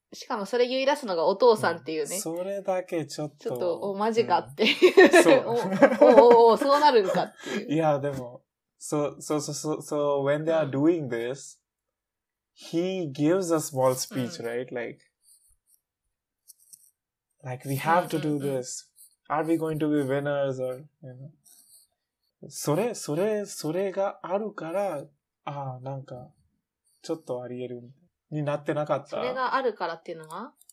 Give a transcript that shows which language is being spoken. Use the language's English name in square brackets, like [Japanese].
[Japanese] しかもそれ言い出すのがお父さんっていうね。それだけちょっと。ちょっと、お、マジかっていう。そう。おお、そうなるんかっていう。 [English] Yeah, でも、so, when they are doing this,He gives a small speech, right? Like we have to do this. Are we going to be winners or, you know? [Japanese] それがあるから、ああ、なんか、ちょっとあり得る、になってなかった。それがあるからっていうのは？